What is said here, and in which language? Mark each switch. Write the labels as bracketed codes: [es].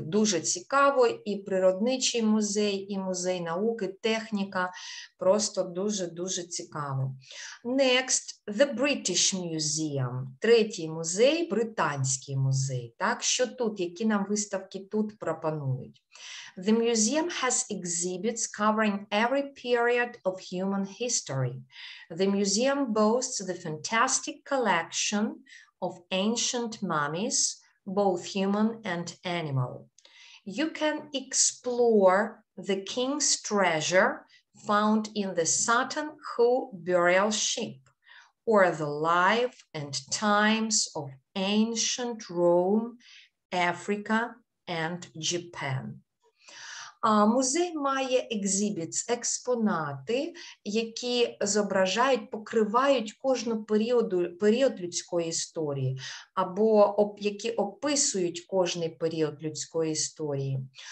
[uk] Дуже цікаво, і природничий музей, і музей науки, техніка. Просто дуже-дуже цікаво. [en] Next, the British Museum. [uk] Третій музей, британський музей. Так, що тут, які нам виставки тут пропонують? [en] The museum has exhibits covering every period of human history. The museum boasts the fantastic collection of ancient mummies, both human and animal. You can explore the king's treasure found in the Sutton Hoo burial ship, or the life and times of ancient Rome, Africa, and Japan. [uk] Музей має exhibits, експонати, які зображають, покривають кожну період людської історії, або які описують кожний період людської історії.